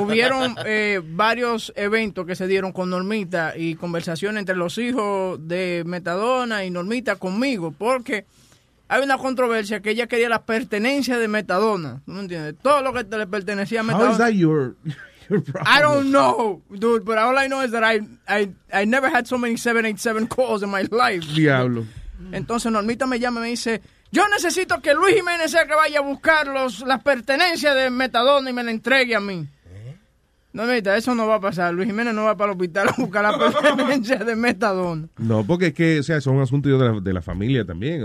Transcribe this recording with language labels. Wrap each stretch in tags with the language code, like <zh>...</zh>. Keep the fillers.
<es>Hubieron eh, varios eventos que se dieron con Normita y conversación entre los hijos de Metadona y Normita conmigo, porque hay una controversia que ella quería la pertenencia de Metadona. ¿No entiendes? Todo lo que te le pertenecía a Metadona. ¿Cómo I,</es> <en>I don't know, dude. But all I know is that I, I I never had so many 787 calls in my life.</en> <es>Diablo. Entonces Normita me llama y me dice, yo necesito que Luis Jiménez sea que vaya a buscar los, las pertenencias de Metadona y me la entregue a mí. ¿Eh? No, eso no va a pasar. Luis Jiménez no va para el hospital a buscar las pertenencias de Metadona. No, porque es que, o sea, eso es un asunto de la, de la familia también.</es>